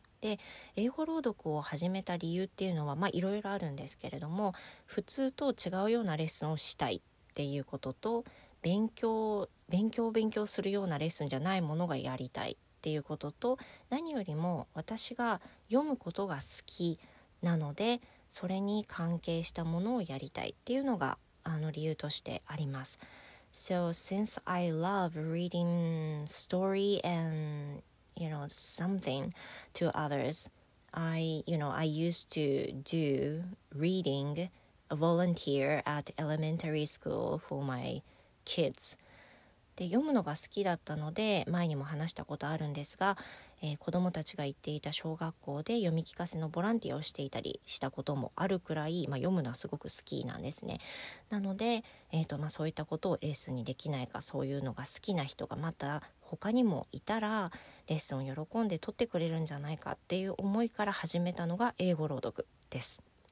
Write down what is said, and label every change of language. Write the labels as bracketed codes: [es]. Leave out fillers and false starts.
[ja] で、英語朗読を始めた理由っていうのはいろいろあるんですけれども、普通と違うようなレッスンをしたいっていうことと、勉強するようなレッスンじゃないものがやりたいっていうことと、何よりも私が読むことが好きなので、それに関係したものをやりたいっていうのが理由としてあります。 [en] So since I love reading story and you know something to others, I used to do reading volunteer at elementary school for my kids. [ja] で、読むのが好きだったので、前にも話したことあるんですが、子供たちが行っていた小学校で読み聞かせのボランティアをしていたりしたこともあるくらい、読むのはすごく好きなんですね。なので、そういったことをレッスンにできないか、そういうのが好きな人がまた他にもいたらレッスンを喜んで取ってくれるんじゃないかっていう思いから始めたのが英語朗読です。